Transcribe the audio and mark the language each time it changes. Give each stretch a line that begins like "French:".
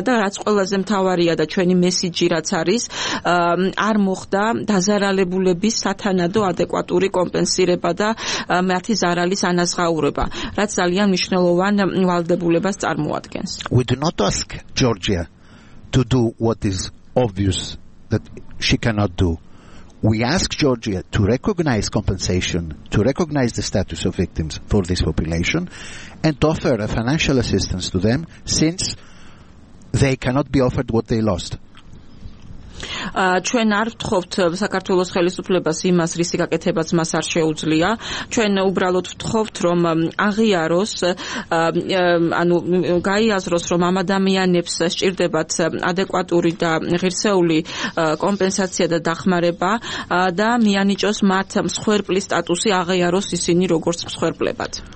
Georgian: და რაც ყველაზე მთავარია და ჩვენი მესიჯი რაც არის, არ მოხდა დაზარალებულების სათანადო ადეკვატური კომპენსირება და მათი ზარალის ანაზღაურება, რაც ძალიან მნიშვნელოვან ვალდებულებას წარმოადგენს.
English: We do not ask Georgia to do what is obvious that she cannot do. We ask Georgia to recognize compensation, to recognize the status of victims for this population, and to offer a financial assistance to them, since they cannot be offered what they lost.
Georgian: Ჩვენ არ ვთხოვთ საქართველოს ხელისუფლებას იმას, რისი გაკეთებაც მას არ შეუძლია. ჩვენ უბრალოდ ვთხოვთ, რომ აღიაროს, ანუ გაიაზროს, რომ ამ ადამიანებს სჭირდებათ ადეკვატური და ღირსეული კომპენსაცია და დახმარება და მიანიჭოს მათ მსხვერპლის სტატუსი, აღიაროს ისინი როგორც მსხვერპლებად.